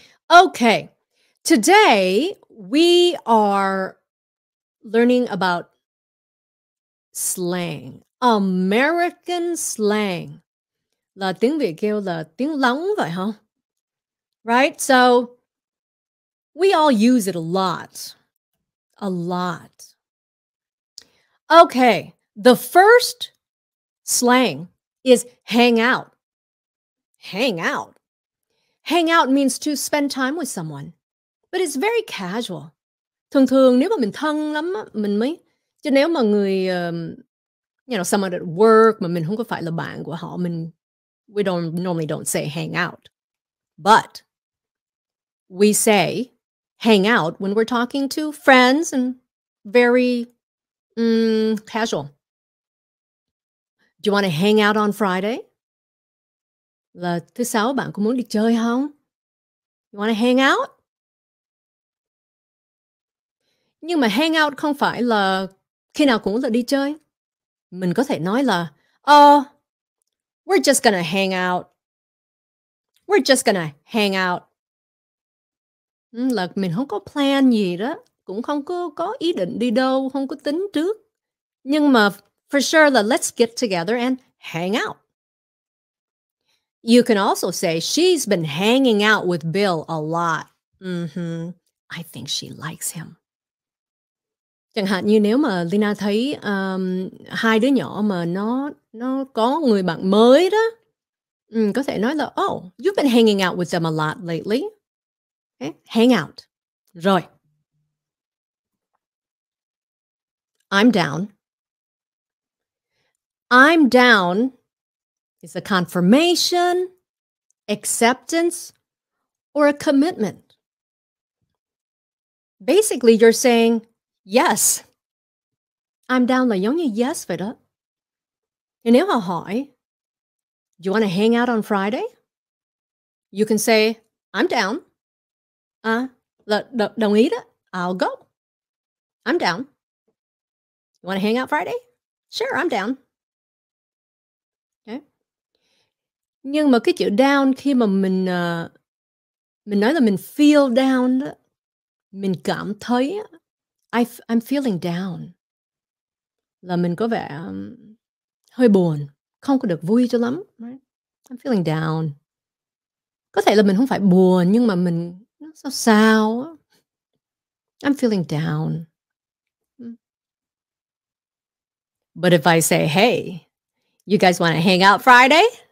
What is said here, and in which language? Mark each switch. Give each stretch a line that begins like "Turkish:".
English: Okay, today we are learning about slang, American slang.
Vietnamese: Là tiếng Việt kêu là tiếng lóng vậy, huh?
English: Right? So we all use it a lot. A lot. Okay, the first slang is hang out. Hang out. Hang out means to spend time with someone, but it's very casual.
Vietnamese: Thường thường nếu mà mình thân lắm mình mới, chứ nếu mà người
English: you know, someone at work
Vietnamese: mà mình không có phải là bạn của họ, mình
English: we don't normally don't say hang out. But we say hang out when we're talking to friends and very casual. Do you want to hang out on Friday?
Vietnamese: Là thứ sáu bạn có muốn đi chơi không?
English: You want to hang out?
Vietnamese: Nhưng mà hang out không phải là khi nào cũng là đi chơi. Mình có thể nói là,
English: we're just gonna hang out. We're just gonna hang out.
Vietnamese: Là mình không có plan gì đó, cũng không có ý định đi đâu, không có tính trước. Nhưng mà
English: for sure là let's get together and hang out. You can also say she's been hanging out with Bill a lot. I think she likes him.
Vietnamese: Chẳng hạn như nếu mà Leyna thấy hai đứa nhỏ mà nó có người bạn mới đó, có thể nói là
English: you've been hanging out with them a lot lately. Hang out.
Vietnamese: Rồi.
English: I'm down is a confirmation, acceptance, or a commitment. Basically, you're saying yes.
Vietnamese: I'm down là giống như yes vậy đó. Thì nếu họ hỏi,
English: do you want to hang out on Friday? You can say, I'm down.
Vietnamese: Đồng ý đó.
English: I'll go. I'm down. You want to hang out Friday? Sure, I'm down. Okay.
Vietnamese: Nhưng mà cái chữ down khi mà mình nói là mình feel down, mình cảm thấy, I'm feeling down. Là mình có vẻ hơi buồn, không có được vui cho lắm.
English: Right? I'm feeling down.
Vietnamese: Có thể là mình không phải buồn, nhưng mà mình sao sao.
English: I'm feeling down. But if I say, hey, you guys want to hang out Friday?